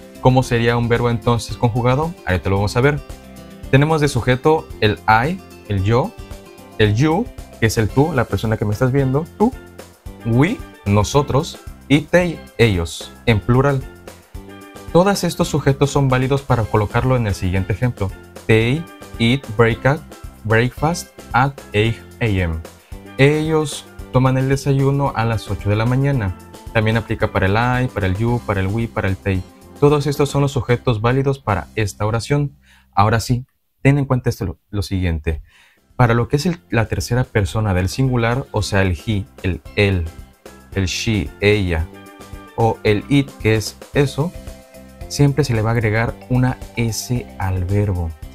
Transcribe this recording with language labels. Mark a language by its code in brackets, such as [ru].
[es] ¿Cómo sería un verbo entonces conjugado? Ahí te lo vamos a ver. Tenemos de sujeto el I, el yo, el you, que es el tú, la persona que me estás viendo, tú, we, nosotros, y they, ellos, en plural. Todos estos sujetos son válidos para colocarlo en el siguiente ejemplo. [en] They eat breakfast at 8 a.m. [es] Ellos toman el desayuno a las 8 de la mañana. También aplica para el I, para el you, para el we, para el they. Todos estos son los sujetos válidos para esta oración. Ahora sí, ten en cuenta esto, lo siguiente. Para lo que es la tercera persona del singular, o sea, el he, el él, el she, ella, o el it, que es eso, siempre se le va a agregar una s al verbo.